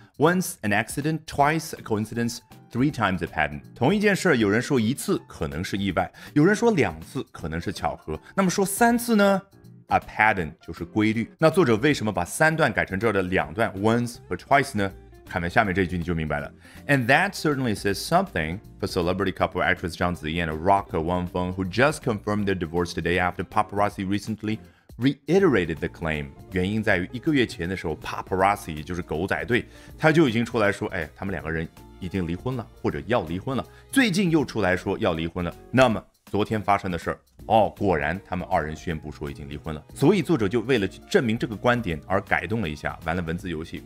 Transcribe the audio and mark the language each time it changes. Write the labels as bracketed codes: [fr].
[en] Once an accident, twice a coincidence, three times a pattern. [zh] 同一件事，有人说一次可能是意外，有人说两次可能是巧合，那么说三次呢？ A pattern 就是规律。那作者为什么把三段改成这儿的两段 once 和 twice 呢？看完下面这一句你就明白了。 [en] And that certainly says something for celebrity couple actress 章子怡 and rocker 汪峰 who just confirmed their divorce today after paparazzi recently reiterated the claim. [zh] 原因在于一个月前的时候 paparazzi 就是狗仔队，他就已经出来说，哎，他们两个人已经离婚了或者要离婚了，最近又出来说要离婚了。那么昨天发生的事儿，哦，果然他们二人宣布说已经离婚了。所以作者就为了去证明这个观点而改动了一下，玩了文字游戏。